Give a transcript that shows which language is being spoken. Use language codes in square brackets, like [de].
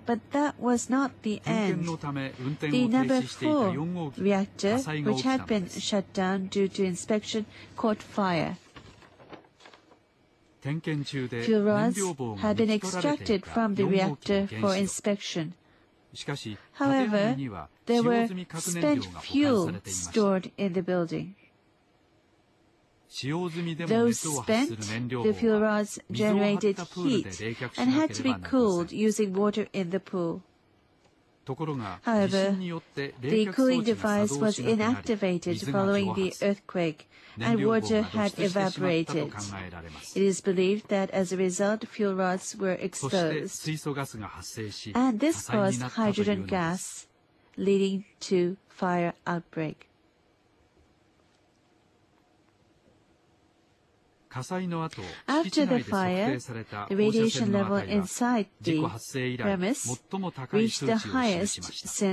[en] But that was not the end. The number 4 reactor, which had been shut down due to inspection, caught fire. Fuel rods had been extracted from the reactor for inspection. However, there were spent fuel stored in the building. [ja] 使用済みでも熱を発する燃料は水を張ったプールで冷却しなければなりません。 [en] Cooled using water in the pool. [ja] ところが地震によって冷却装置が作動しなくなり、水が蒸発、燃料が蒸発してしまったと考えられます。 [en] And water had evaporated. It is believed that as a result, fuel rods were exposed. [ja] そして水素ガスが発生し、 [en] And this caused hydrogen gas, leading to fire outbreak. [ja] 火災の後、敷地内で測定された放射線の値が事故発生以来最も高い数値を示しました。